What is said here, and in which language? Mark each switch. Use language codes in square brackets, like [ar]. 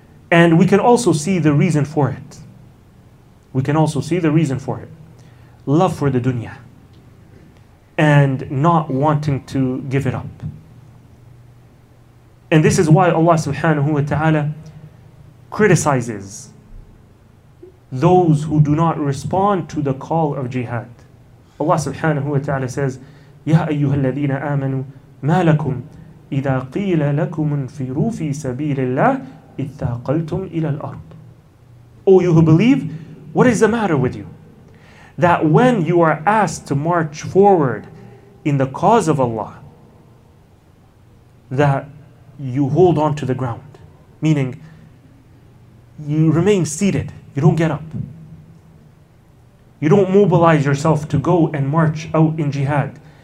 [en] And we can also see the reason for it. We can also see the reason for it. Love for the dunya. And not wanting to give it up. And this is why Allah subhanahu wa ta'ala criticizes those who do not respond to the call of jihad. Allah subhanahu wa ta'ala says, [ar] يَا أَيُّهَا الَّذِينَ آمَنُوا مَا لَكُمْ إِذَا قِيلَ لَكُمْ فِرُوا فِي سَبِيلِ اللَّهِ إِذَا قَلْتُمْ إِلَى الْأَرْضِ. [en] O you who believe, what is the matter with you? That when you are asked to march forward in the cause of Allah, that you hold on to the ground. Meaning, you remain seated. You don't get up. You don't mobilize yourself to go and march out in jihad.